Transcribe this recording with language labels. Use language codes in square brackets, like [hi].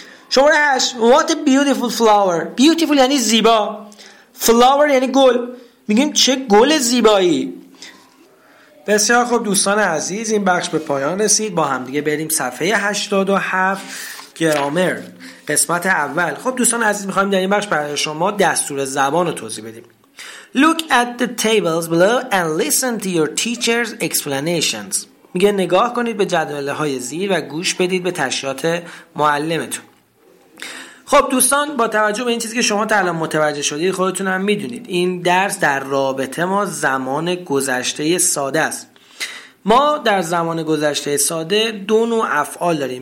[fa] شماره 8. [en] What a beautiful flower. [fa] Beautiful یعنی زیبا. Flower یعنی گل. میگیم چه گل زیبایی. بسیار خوب دوستان عزیز، این بخش به پایان رسید. با هم دیگه بریم صفحه 87 گرامر قسمت اول. خب دوستان عزیز، میخوایم در این بخش برای شما دستور زبان رو توضیح بدیم. [en] Look at the tables below and listen to your teacher's explanations. [fa] میگه نگاه کنید به جدول‌های زیر و گوش بدید به تشریحات معلمتون. خب دوستان، با توجه به این چیزی که شما تا الان متوجه شدید، خودتون هم میدونید این درس در رابطه ما زمان گذشته ساده است. ما در زمان گذشته ساده دو نوع افعال داریم.